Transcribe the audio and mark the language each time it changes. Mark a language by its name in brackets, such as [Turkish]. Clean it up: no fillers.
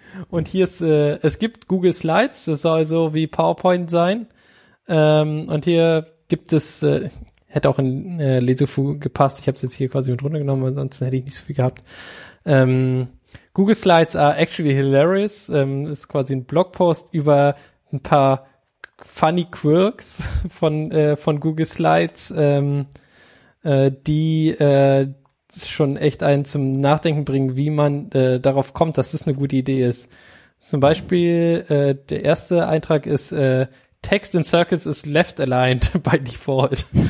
[German] Und hier ist, es gibt Google Slides, das soll so wie PowerPoint sein. Und hier gibt es, hätte auch in Lesefu gepasst, ich habe es jetzt hier quasi mit runtergenommen, ansonsten hätte ich nicht so viel gehabt. [English] Google Slides are actually hilarious. [German] Ist quasi ein Blogpost über ein paar funny quirks von Google Slides, die schon echt einen zum Nachdenken bringen, wie man darauf kommt, dass das eine gute Idee ist. Zum Beispiel, der erste Eintrag ist, [English] Text in Circles is left aligned by default.